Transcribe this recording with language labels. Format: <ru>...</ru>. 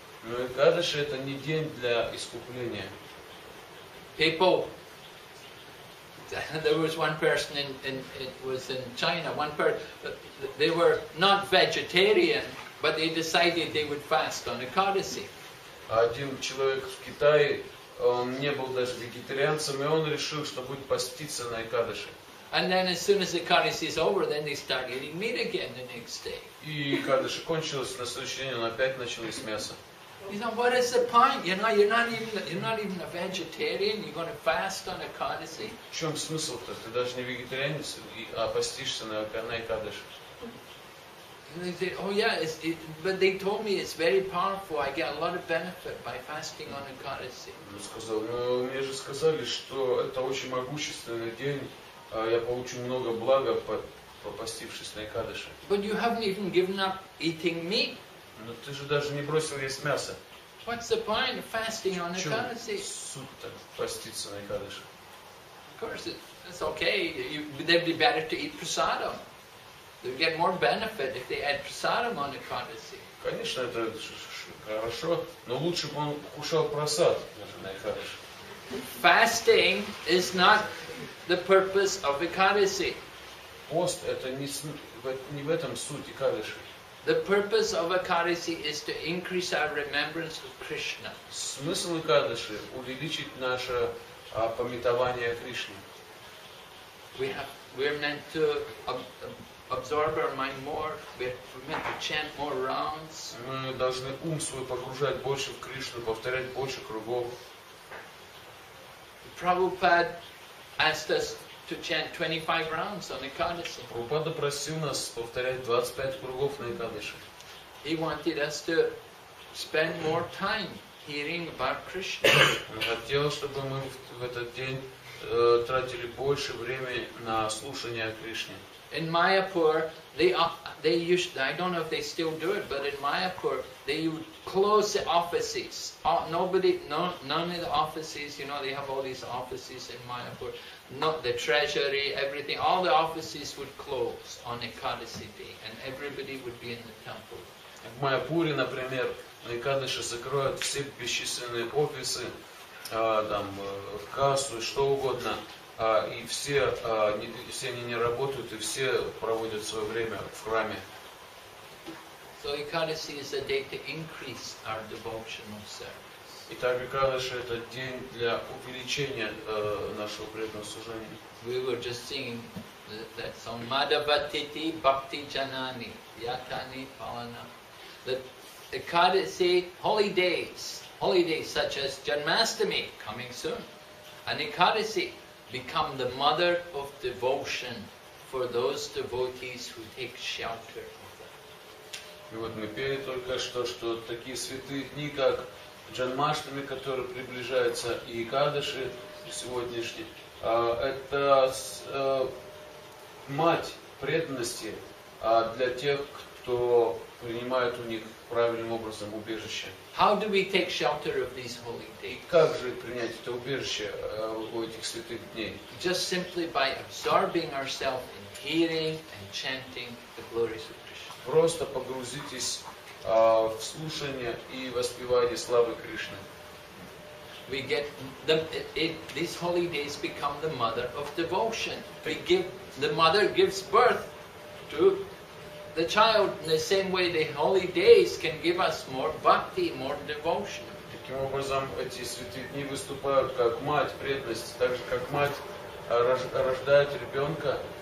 <ru>Но Экадаши это не день для искупления.</ru> <en>People, there was one person in China, they were not vegetarian, but they decided they would fast on Ekadasi.</en> <ru>Один человек в Китае, он не был даже вегетарианцем, и он решил, что будет поститься на Экадаши.</ru> <en>And then as soon as the Kadesh is over, then they start eating meat again the next day.</en> <ru>И Кадеш кончилось, на следующий день он опять начал есть мясо.</ru> <en>You know, what is the point? You know, you're not even a vegetarian, you're going to fast on a Kadesh.</en> <ru>В чем смысл-то? Ты даже не вегетарианец, а постишься на Кадеш.</ru> <en>And they say, oh yeah, but they told me it's very powerful. I get a lot of benefit by fasting on a Kadesh.</en> <ru>Ну сказал, ну мне же сказали, что это очень могущественный день. Я получу много блага, попастившись на Экадаши.</ru> <en>But you haven't even given up eating meat.</en> <ru>Но ты же даже не бросил есть мясо.</ru> <en>What's the point of fasting on Ekadasi?</en> <ru>Суть-то поститься на Экадаши.</ru> <en>Of course, it's okay. They'd be better to eat prasadam. They get more benefit if they add prasadam on Ekadasi.</en> <ru>Конечно, это хорошо, но лучше бы он кушал прасад на Экадаши.</ru> <en>Fasting is not the purpose of Ekadasi.</en> <ru>Пост это не в этом суть Экадаши.</ru> <en>The purpose of Ekadasi is to increase our remembrance of Krishna.</en> <ru>Смысл Экадаши увеличить наше памятование Кришне.</ru> <en>We're meant to absorb our mind more. We're meant to chant more rounds.</en> <ru>Мы должны ум свой погружать больше в Кришну, повторять больше кругов.</ru> <en>Prabhupada asked us to chant 25 rounds on Ekadasi.</en> <ru>Prabhupada просил нас повторять 25 кругов на Ekadasi.</ru> <en>He wanted us to spend more time hearing about Krishna.</en> <ru>Он хотел, чтобы мы в этот день тратили больше времени на слушание о Кришне.</ru> <en>In Mayapur, I don't know if they still do it, but in Mayapur, they would close the offices. None of the offices, you know, they have all these offices in Mayapur. Not the treasury, everything. All the offices would close on Ekadasi day, and everybody would be in the temple.</en> <ru>В Майяпуре, например, на Экадаши закроют все бесчисленные офисы, там кассу, что угодно. И все они не работают, и все проводят свое время в храме.</ru> <en>So Ekadasi is a day to increase our devotional service.</en> <ru>Итак, Ekadasi это день для увеличения нашего преданного служения.</ru> <en>We were just singing that song, Madhavatiti Bhakti Janani Yatani Palana. That Ekadasi holy days such as Janmashtami coming soon, and Ekadasi become the mother of devotion for those devotees who take shelter of them.</en> <ru>И вот мы пели только что, что такие святые дни, как Джанмаштами, которые приближаются, и Экадаши сегодняшние, это мать преданности для тех, кто принимает у них правильным образом убежище.</ru> <en>How do we take shelter of these holy days?</en> <ru>Как же принять это убежище у этих святых дней?</ru> <en>Just simply by absorbing ourselves in hearing and chanting the glories of Krishna.</en> <ru>Просто погрузитесь в слушание и воспевание славы Кришны.</ru> <en>We get these holy days become the mother of devotion. The mother gives birth to the child, in the same way the holy days can give us more bhakti, more devotion.</en> <ru>Таким образом, эти святые дни выступают как мать преданности, так же как мать рождает ребенка.</ru>